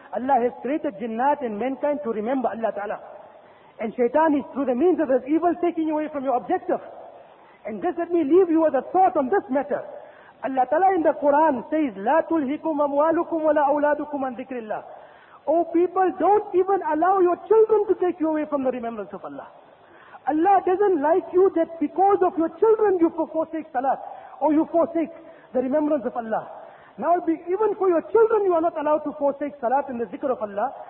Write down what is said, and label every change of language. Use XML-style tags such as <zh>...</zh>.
<en>Allah has created jinnat and mankind to remember Allah Ta'ala. And shaitan is through the means of this evil taking away from your objective. And just let me leave you with a thought on this matter. Allah Ta'ala in the Quran says,</en> <ar>لَا تُلْهِكُمْ أَمْوَالُكُمْ وَلَا أَوْلَادُكُمْ عَنْ ذِكْرِ اللَّهِ.</ar> <en>Oh people, don't even allow your children to take you away from the remembrance of Allah. Allah doesn't like you that because of your children you forsake salat or you forsake the remembrance of Allah. Now even for your children you are not allowed to forsake salat and the zikr of Allah.</en>